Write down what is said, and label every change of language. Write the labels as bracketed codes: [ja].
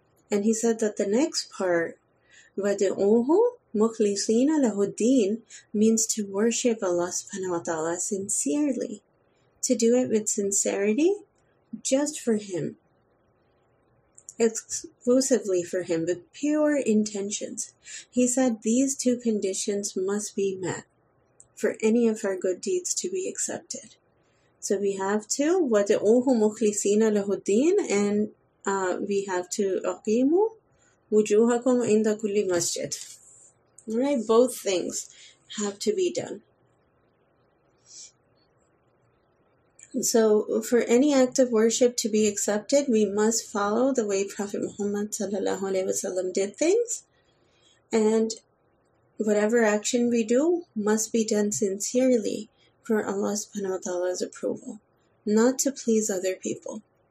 [en] And he said that the next part, [ar] وَدِعُوهُ مُخْلِصِينَ لَهُ الدِّينَ [en] means to worship Allah subhanahu wa ta'ala sincerely, to do it with sincerity just for Him, exclusively for Him, with pure intentions. He said these two conditions must be met for any of our good deeds to be accepted. So we have to [ar] وَدِعُوهُ مُخْلِصِينَ لَهُ الدِّينَ [en] and we have to [ar] أَقِيمُوا وُجُوهَكُمْ عِنْدَ كُلِّ مَسْجِدٍ. [en] Right, both things have to be done. So for any act of worship to be accepted, we must follow the way Prophet Muhammad sallallahu alaihi wasallam did things. And whatever action we do must be done sincerely for Allah subhanahu wa ta'ala's approval, not to please other people.